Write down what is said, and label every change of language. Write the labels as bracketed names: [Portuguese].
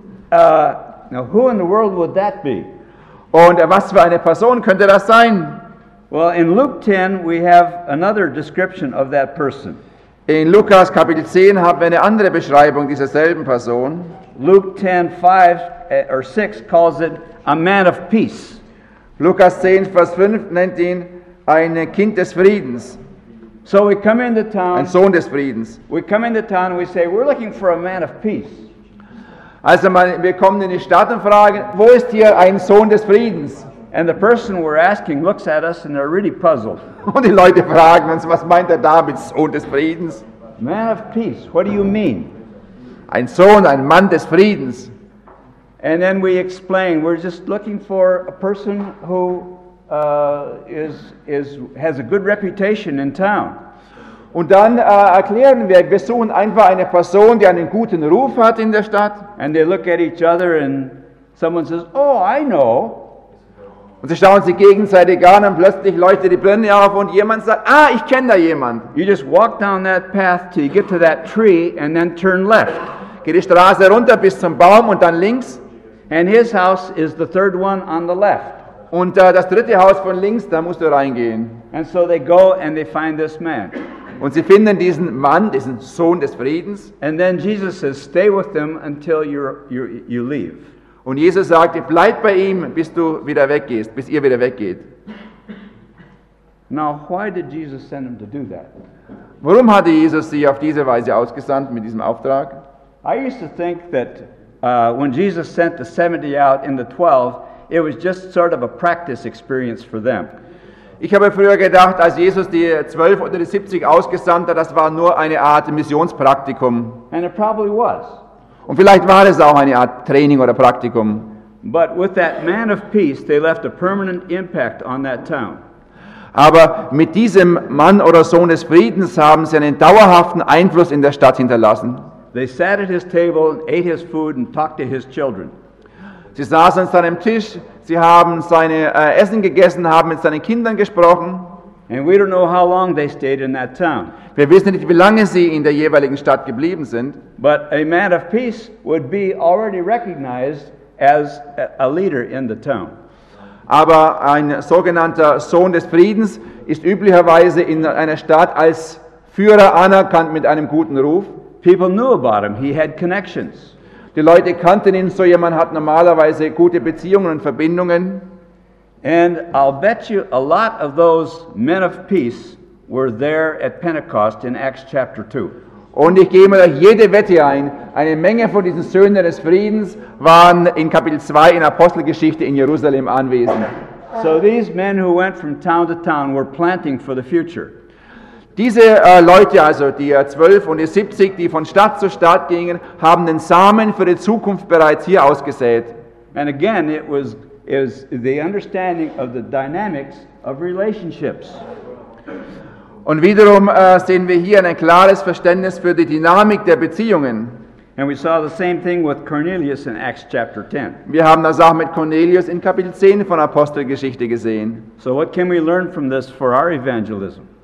[English] Now, who in the world would that be? [German] Und was für eine Person könnte das sein? [English] Well, in Luke 10, we have another description of that person. [German] In Lukas Kapitel 10 haben wir eine andere Beschreibung dieser selben Person. [English] Luke 10, 5 or 6 calls it a man of peace. [German] Lukas 10, Vers 5 nennt ihn ein Kind des Friedens. [English] So we come into town. [German] Ein Sohn des Friedens. [English] We come into town and we say, we're looking for a man of peace. [German] Also wir kommen in die Stadt und fragen, wo ist hier ein Sohn des Friedens? [English] And the person we're asking looks at us and they're really puzzled. [German] Und die Leute fragen uns, was meint der damit, Sohn des Friedens? [English] Man of peace, what do you mean? [German] ein Sohn, ein Mann des Friedens. [English] And then we explain, we're just looking for a person who has a good reputation in town. [German] Und dann erklären wir, wir suchen einfach eine Person, die einen guten Ruf hat in der Stadt. [English] And they look at each other and someone says, oh, I know. [German] Und sie schauen sich gegenseitig an und plötzlich leuchtet die Birne auf und jemand sagt, ah, ich kenne da jemand. [English] You just walk down that path till you get to that tree and then turn left. [German] Geh die Straße runter bis zum Baum und dann links. [English] And his house is the third one on the left. [German] Und das dritte Haus von links, da musst du reingehen. [English] And so they go and they find this man. [German] Und sie finden diesen Mann, diesen Sohn des Friedens. [English] And then Jesus says, stay with them until you leave. [German] Und Jesus sagt, bleib bei ihm, bis du wieder weggehst, bis ihr wieder weggeht. [English] Now, why did Jesus send him to do that? [German] Warum hatte Jesus sie auf diese Weise ausgesandt mit diesem Auftrag? [English] I used to think that when Jesus sent the 70 out in the 12, it was just sort of a practice experience for them. [German] Ich habe früher gedacht, als Jesus die 12 oder die 70 ausgesandt hat, das war nur eine Art Missionspraktikum. [English] And it probably was. [German] Und vielleicht war es auch eine Art Training oder Praktikum. [English] But with that man of peace, they left a permanent impact on that town. [German] Aber mit diesem Mann oder Sohn des Friedens haben sie einen dauerhaften Einfluss in der Stadt hinterlassen. [English] They sat at his table and ate his food and talked to his children. [German] Sie saßen an seinem Tisch, sie haben seine Essen gegessen, haben mit seinen Kindern gesprochen. [English] And we don't know how long they stayed in that town. [German] Wir wissen nicht, wie lange sie in der jeweiligen Stadt geblieben sind. [English] But a man of peace would be already recognized as a leader in the town. [German] Aber ein sogenannter Sohn des Friedens ist üblicherweise in einer Stadt als Führer anerkannt mit einem guten Ruf. [English] People knew about him. He had connections. [German] Die Leute kannten ihn. So jemand hat normalerweise gute Beziehungen und Verbindungen. [English] And I'll bet you a lot of those men of peace were there at Pentecost in Acts chapter 2. [German] Und ich gebe mir jede Wette ein, eine Menge von diesen Söhnen des Friedens waren in Kapitel 2 in Apostelgeschichte in Jerusalem anwesend. [English] So these men who went from town to town were planting for the future. [German] Diese Leute, also die 12 und die 70, die von Stadt zu Stadt gingen, haben den Samen für die Zukunft bereits hier ausgesät. [English] And again, it was the understanding of the dynamics of relationships. [German] Und wiederum sehen wir hier ein klares Verständnis für die Dynamik der Beziehungen. [English] And we saw the same thing with Cornelius in Acts chapter 10. [German] Wir haben das auch mit Cornelius in Kapitel 10 von Apostelgeschichte gesehen. [English] So what can we learn from this for our evangelism?